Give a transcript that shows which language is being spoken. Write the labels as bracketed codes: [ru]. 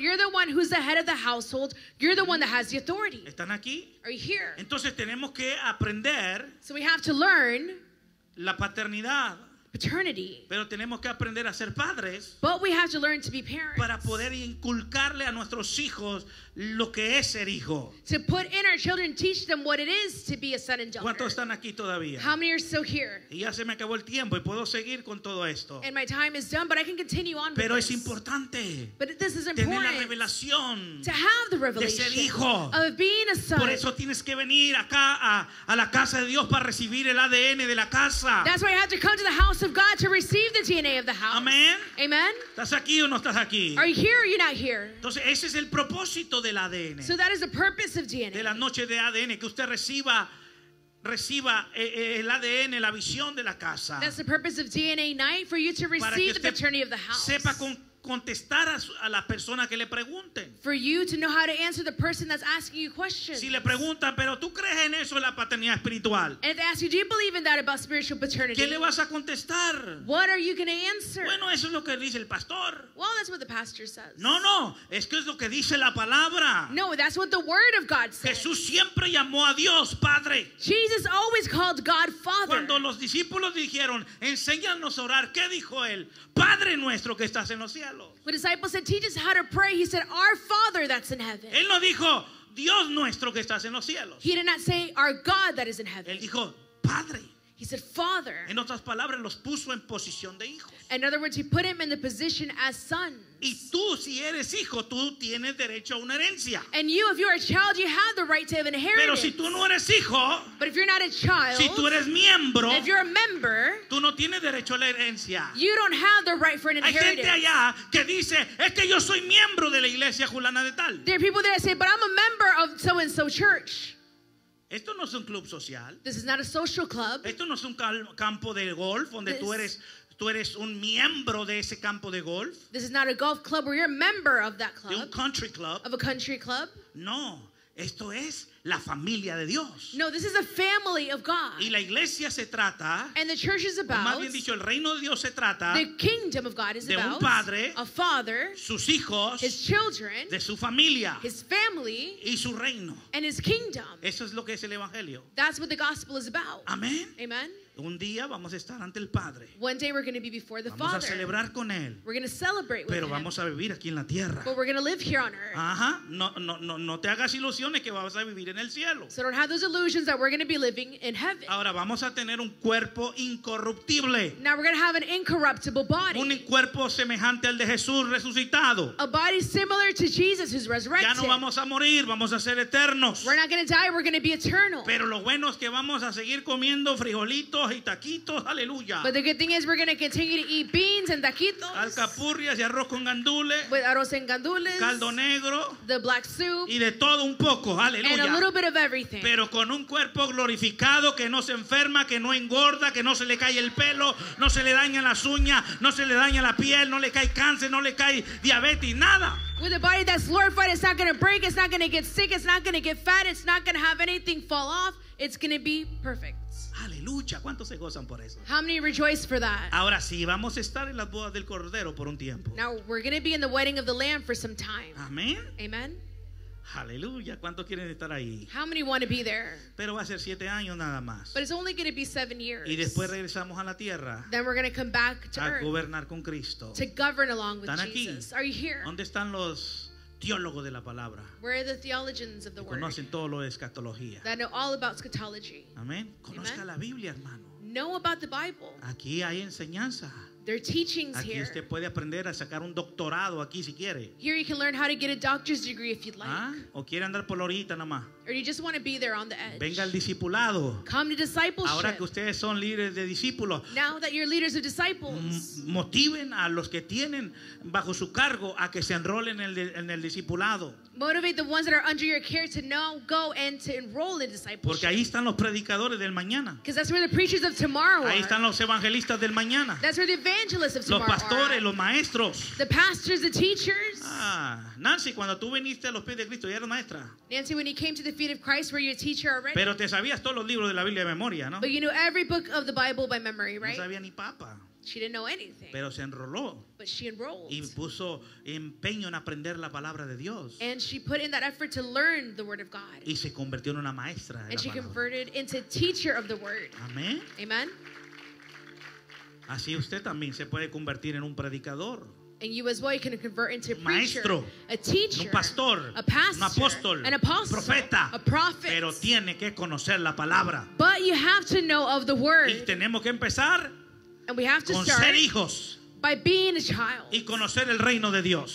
[en] You're the one who's the head of the household. You're the one that has the authority. [es] ¿Están aquí? [en] Are you here? [es] Entonces tenemos que aprender. [en] So we have to learn. [es] La paternidad. [en] Paternity. [es] Pero tenemos que aprender a ser padres. [en] But we have to learn to be parents. [es] Para poder inculcarle a nuestros hijos lo que es ser hijo. [en] To put in our children, teach them what it is to be a son and daughter. [es] ¿Cuántos están aquí todavía? [en] How many are still here? [es] Y ya se me acabó el tiempo y puedo seguir con todo esto. [en] And my time is done, but I can continue on. [es] Pero [en] with [es] es importante. [en] But this is important. [es] Tener la revelación. [en] To have the revelation. [es] De ser hijo. [en] Of being a son. [es] Por eso tienes que venir acá a la casa de Dios para recibir el ADN de la casa. [en] That's why you have to come to the house of God to receive the DNA of the house. Amen. Amen. [es] ¿Estás aquí o no estás aquí? [en] Are you here or you're not here? [es] Entonces ese es el propósito del ADN. [en] So that is the purpose of DNA. [es] De la noche de ADN, que usted reciba el ADN, la visión de la casa. [en] That's the purpose of DNA night, for you to receive the paternity of the house. [es] Sepa contestar a la persona que le pregunten. [en] For you to know how to answer the person that's asking you questions. [es] Si le preguntan, pero tú crees en eso, la paternidad espiritual. [en] And if they ask you, do you believe in that about spiritual paternity? [es] ¿Qué le vas a contestar? [en] What are you going to answer? [es] Bueno, eso es lo que dice el pastor. [en] Well, that's what the pastor says. [es] No, no, es que es lo que dice la palabra. [en] No, that's what the word of God says. [es] Jesús siempre llamó a Dios Padre. [en] Jesus always called God Father. [es] Cuando los discípulos dijeron, enséñanos a orar, ¿qué dijo él? Padre nuestro que estás en los cielos. [en] When disciples said, teach us how to pray, he said, our Father that's in heaven. [es] Él no dijo, Dios nuestro que estás en los cielos. [en] He did not say, our God that is in heaven. [es] Él dijo, Padre. [en] He said, Father. [es] En otras palabras, los puso en posición de hijos. [en] In other words, he put him in the position as sons. [es] Y tú, si eres hijo, tú tienes derecho a una herencia. [en] And you, if you are a child, you have the right to have an inheritance. [es] Pero si tú no eres hijo, [en] but if you're not a child, [es] si tú eres miembro, [en] if you're a member, [es] tú no tienes derecho a la herencia. [en] You don't have the right for an inheritance. [es] Hay gente allá que dice, es que yo soy miembro de la iglesia fulana de tal. [en] There are people there that say, but I'm a member of so and so church. [es] Esto no es un club social. [en] This is not a social club. [es] Esto no es un campo de golf donde [en] this... [es] tú eres un miembro de ese campo de golf. [en] This is not a golf club where you're a member of that club. [es] De un country club. [en] Of a country club. [es] No, esto es la familia de Dios. [en] No, this is a family of God. [es] Y la iglesia se trata. [en] And the church is about. [es] O más bien dicho, el reino de Dios se trata. [en] The kingdom of God is [es] de [en] about. [es] De un padre. [en] A father. [es] Sus hijos. [en] His children. [es] De su familia. [en] His family. [es] Y su reino. [en] And his kingdom. [es] Eso es lo que es el evangelio. [en] That's what the gospel is about. [es] Amén. [en] Amen. [es] Un día vamos a estar ante el Padre. [en] One day we're going to be before the [es] vamos [en] Father. [es] Vamos a celebrar con él. [en] We're going to celebrate with [es] Pero vamos [en] him. [es] A vivir aquí en la tierra. [en] But we're going to live here on earth. [es] Ajá. No te hagas ilusiones que vas a vivir en el cielo. [en] So don't have those illusions that we're going to be living in heaven. [es] Ahora vamos a tener un cuerpo incorruptible. [en] Now we're going to have an incorruptible body. [es] Un cuerpo semejante al de Jesús resucitado. [en] A body similar to Jesus who's resurrected. [es] Ya no vamos a morir, vamos a ser eternos. [en] We're not going to die, we're going to be eternal. [es] Pero lo bueno es que vamos a seguir comiendo frijolitos y taquitos, aleluya. [en] But the good thing is we're going to continue to eat beans and taquitos. [es] Alcapurrias y arroz con gandules. [en] With [es] arroz en gandules. Caldo negro. [en] The black soup. [es] Y de todo un poco, aleluya. [en] And a little bit of everything. [es] Pero con un cuerpo glorificado que no se enferma, que no engorda, que no se le cae el pelo, no se le daña las uñas, no se le daña la piel, no le cae cáncer, no le cae diabetes, nada. [en] With a body that's glorified, it's not going to break, it's not going to get sick, it's not going to get fat, it's not going to have anything fall off. It's going to be perfect. [es] Aleluya, ¿cuántos se gozan por eso? [en] How many rejoice for that? [es] Ahora sí, vamos a estar en las bodas del Cordero por un tiempo. [en] Now we're going to be in the wedding of the Lamb for some time. [es] Amén. [en] Amen. [es] Aleluya, ¿cuántos quieren estar ahí? [en] How many want to be there? [es] Pero va a ser 7 años nada más. [en] But it's only going to be 7 years. [es] Y después regresamos a la tierra. [en] Then we're going to come back to [es] a [en] earth. [es] A gobernar con Cristo. [en] To govern along with [es] ¿Están aquí? [en] Jesus. Are you here? [es] ¿Dónde están los teólogos de la palabra? [en] Where are the theologians of the word? [es] Conocen todo lo de escatología. [en] That know all about eschatology. [es] Amén. Conozca la Biblia, hermano. [en] Know about the Bible. [es] Aquí hay enseñanza. [en] their teachings [es] aquí [en] here. [es] Usted puede aprender a sacar un doctorado aquí si quiere. [en] Here you can learn how to get a doctor's degree if you'd like. ¿Ah? [es] O quiere andar por la orita nada más. [en] Or you just want to be there on the edge. [es] Venga al discipulado. [en] Come to discipleship. [es] Ahora que ustedes son líderes de discípulos. [en] Now that you're leaders of disciples. [es] Motiven a los que tienen bajo su cargo a que se enrolen en el discipulado. [en] Motivate the ones that are under your care to now go and to enroll in discipleship. [es] Porque ahí están los predicadores del mañana. [en] Because that's where the preachers of tomorrow are. [es] Ahí están los evangelistas del mañana. [en] That's where the evangelists of tomorrow are. [es] Los pastores, [en] are. [es] Los maestros. [en] The pastors, the teachers. [es] Ah, Nancy, cuando tú viniste a los pies de Cristo, ya eras maestra. [en] Nancy, when you came to the feet of Christ, were you a teacher already? [es] Pero te sabías todos los libros de la Biblia de memoria, ¿no? [en] But you knew every book of the Bible by memory, right? [es] No sabía ni papa. [en] She didn't know anything. [es] Pero se enroló. [en] But she enrolled. [es] Y puso empeño en aprender la palabra de Dios. [en] And she put in that effort to learn the word of God. [es] Y se convirtió en una maestra. [en] And she converted into teacher of the word. [es] Amén. [en] Amen. [es] Así usted también se puede convertir en un predicador. [en] And you as well you can convert into a preacher, [es] maestro, [en] a teacher, [es] un pastor, [en] a pastor, [es] un apóstol, [en] an apostle, [es] profeta, [en] a prophet. [es] Pero tiene que conocer la palabra. [en] But you have to know of the word. [es] Y tenemos que empezar. [en] And we have to [es] con [en] start [es] ser hijos [en] by being a child [es] y conocer el reino de Dios.